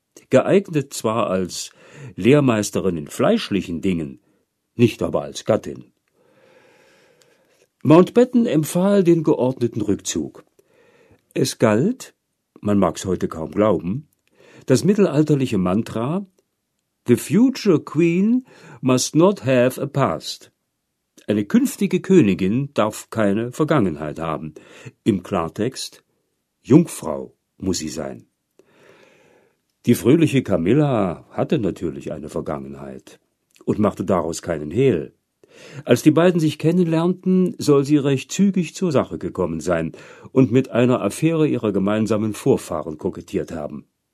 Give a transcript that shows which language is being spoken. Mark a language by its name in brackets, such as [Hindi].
[German] Geeignet zwar als Lehrmeisterin in fleischlichen Dingen, nicht aber als Gattin. Mountbatten empfahl den geordneten Rückzug. Es galt, man mag's heute kaum glauben, das mittelalterliche Mantra [English] The future queen must not have a past. [German] Eine künftige Königin darf keine Vergangenheit haben. Im Klartext, Jungfrau muss sie sein. Die fröhliche Camilla hatte natürlich eine Vergangenheit und machte daraus keinen Hehl. Als die beiden sich kennenlernten, soll sie recht zügig zur Sache gekommen sein und mit einer Affäre ihrer gemeinsamen Vorfahren kokettiert haben.